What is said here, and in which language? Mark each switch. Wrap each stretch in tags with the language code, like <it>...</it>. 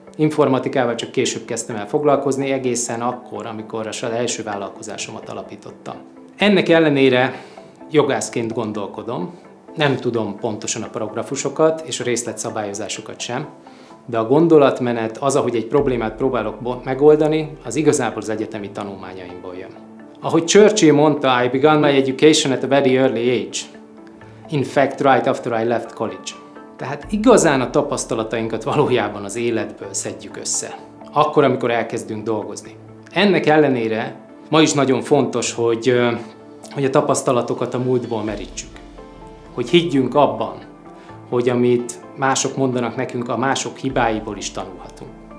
<hu>Informatikával csak később kezdtem el foglalkozni, egészen akkor, amikor az első vállalkozásomat alapítottam. Ennek ellenére jogászként gondolkodom, nem tudom pontosan a paragrafusokat és a részletszabályozásokat sem, de a gondolatmenet, az, ahogy egy problémát próbálok megoldani, az igazából az egyetemi tanulmányaimból jön. Ahogy Churchill mondta,</hu> <en>I began my education at a very early age. In fact, right after I left college.</en> <hu>Tehát igazán a tapasztalatainkat valójában az életből szedjük össze. Akkor, amikor elkezdünk dolgozni. Ennek ellenére ma is nagyon fontos, hogy a tapasztalatokat a múltból merítsük. Hogy higgyünk abban, hogy amit mások mondanak nekünk, a mások hibáiból is tanulhatunk.</hu>